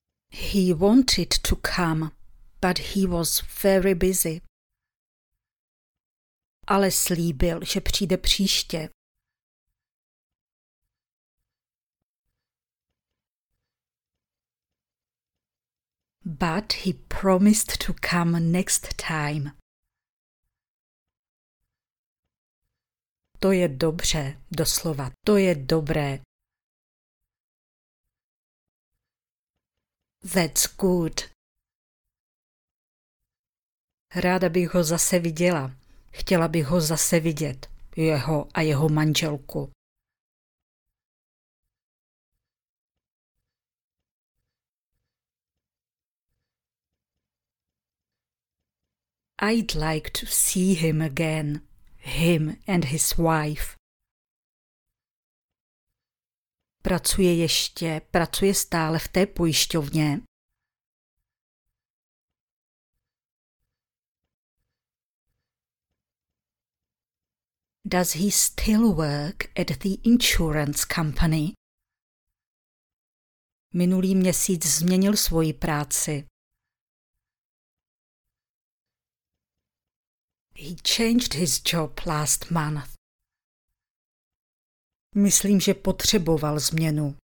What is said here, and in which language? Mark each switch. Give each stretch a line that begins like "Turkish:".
English: He wanted to come, but he was very busy.
Czech: Ale slíbil, že přijde příště.
English: But he promised to come next time.
Czech: To je dobře, doslova, to je dobré.
English: That's good.
Czech: Ráda bych ho zase viděla. Chtěla bych ho zase vidět, jeho a jeho manželku.
English: I'd like to see him again, him and his wife.
Czech: Pracuje ještě, pracuje stále v té pojišťovně.
English: Does he still work at the insurance company?
Czech: Minulý měsíc změnil svoji práci.
English: He changed his job last month.
Czech: Myslím, že potřeboval změnu.